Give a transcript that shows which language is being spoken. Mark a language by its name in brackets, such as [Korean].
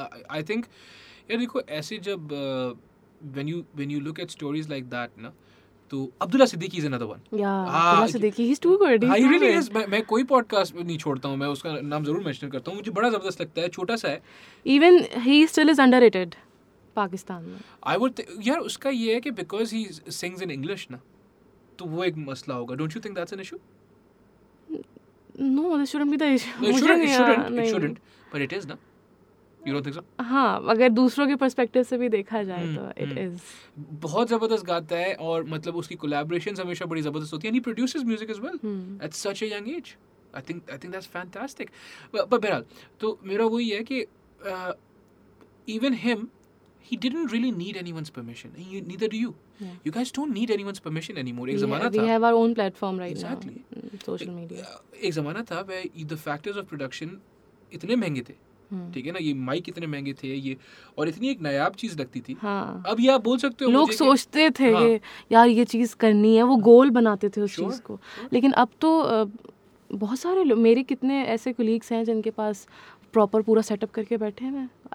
[English] I think, yeah, [Hindi] देखो ऐसे जब [English] when you look at stories like that [Hindi] ना तो [English] Abdullah Siddiqui is another one. Yeah, Abdullah Siddiqui he's too good. He really is. [Hindi] मैं कोई podcast नहीं छोड़ता हूँ मैं उसका नाम जरूर mention करता हूँ मुझे बड़ा जबरदस्त लगता है छोटा सा है. [English] Even he still is underrated, Pakistan में. I would [Hindi] यार उसका ये है कि [English] because he sings in English [Hindi] ना तो वो एक मसला होगा. [English] Don't you think that's an issue? No, this shouldn't be the issue. It shouldn't. But it is, na? You don't think so? [Hindi] हाँ, अगर दूसरों के perspective से भी देखा जाए तो [English] it is. [Hindi] बहुत जबरदस्त गाता है और मतलब उसकी collaborations हमेशा बड़ी जबरदस्त होती है. [English] And he produces music as well at such a young age. I think that's fantastic. But [Hindi] बहरहाल, तो मेरा वही है कि [English] even him, he didn't really need anyone's permission. Neither do you. Yeah. You guys don't need anyone's permission anymore. We have our own platform right exactly. now. Social media. [Hindi] एक ज़माना था [English] where the factors of production [Hindi] इतने महंगे थे ठीक है ना ये माइक इतने महंगे थे ये और इतनी एक नायाब चीज लगती थी हाँ. अब यार बोल सकते हो लोग सोचते थे हाँ. यार ये चीज करनी है वो गोल बनाते थे उस चीज को लेकिन अब तो बहुत सारे मेरे कितने ऐसे कुलीग्स हैं जिनके पास प्रॉपर पूरा सेटअप करके बैठे हैं